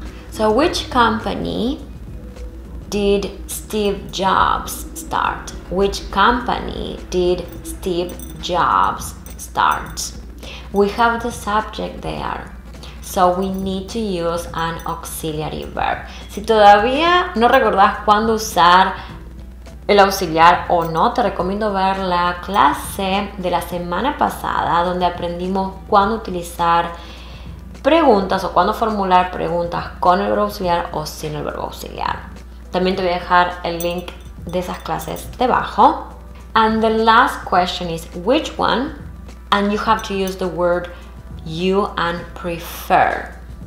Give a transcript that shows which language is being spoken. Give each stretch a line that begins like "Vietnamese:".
English: So which company did Steve Jobs start? Which company did Steve Jobs start? We have the subject there, so we need to use an auxiliary verb.
Spanish: Si todavía no recordás cuándo usar el auxiliar o no, te recomiendo ver la clase de la semana pasada donde aprendimos cuándo utilizar preguntas o cuándo formular preguntas con el verbo auxiliar o sin el verbo auxiliar. También te voy a dejar el link de esas clases debajo.
English: And the last question is which one? And you have to use the word you and prefer.